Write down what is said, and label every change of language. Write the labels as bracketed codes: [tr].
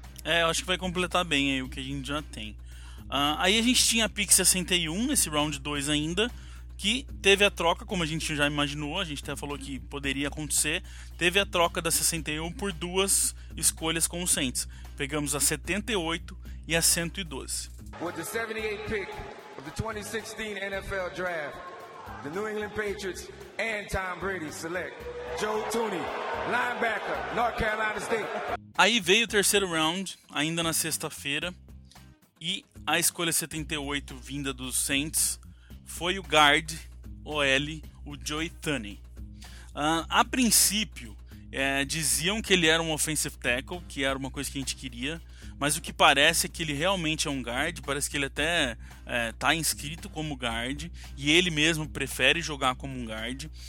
[pt] É, eu acho que vai completar bem aí o que a gente já tem. Aí a gente tinha a pick 61 nesse round 2 ainda, que teve a troca, como a gente já imaginou, a gente até falou que poderia acontecer, teve a troca da 61 por duas escolhas com o Saints. Pegamos a 78 e a 112. [en] With the 78th pick of the 2016 NFL Draft, the New England Patriots and Tom Brady select Joe Tooney, linebacker, North Carolina State. [pt] Aí veio o terceiro round, ainda na sexta-feira, e a escolha 78 vinda dos Saints foi o guard OL, o Joey Tunney. A princípio, diziam que ele era um offensive tackle, que era uma coisa que a gente queria, mas o que parece é que ele realmente é um guard, parece que ele até está inscrito como guard, e ele mesmo prefere jogar como um guard.